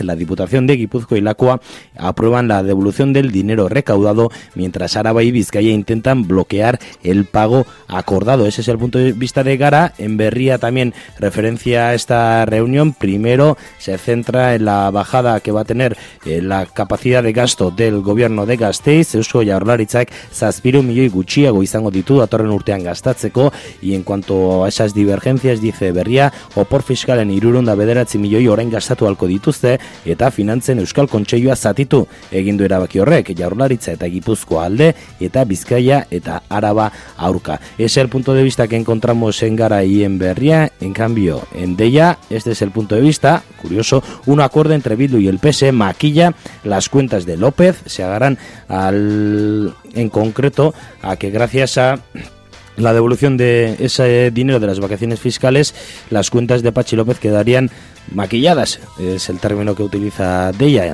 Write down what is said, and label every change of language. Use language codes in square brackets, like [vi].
[es] La Diputación de Gipuzkoa y Lakua aprueban la devolución del dinero recaudado, mientras Araba y Vizcaya intentan bloquear el pago acordado. Ese es el punto de vista de Gara. En Berria también, referencia a esta reunión, primero se centra en la bajada que va a tener la capacidad de gasto del gobierno de Gasteiz. [eu] Eusko Jaurlaritzak 7 milioi gutxiago izango ditu datorren urtean gastatzeko, [es] y en cuanto a esas divergencias, dice Berria, [eu] opor fiskalen 309 milioi orain gastatu alko dituzte, eta finantzen Euskal Kontseilua zati egin du erabaki horrek, Jaurlaritza eta Gipuzkoa alde, eta Bizkaia eta Araba aurka. [es] Es el punto de vista que encontramos en Gara y en Berria. En cambio, en Deia, este es el punto de vista, curioso, un acuerdo entre Bildu y el PS maquilla las cuentas de López. Se agarran en concreto a que gracias a la devolución de ese dinero de las vacaciones fiscales, las cuentas de Patxi López quedarían maquilladas, es el término que utiliza Deia.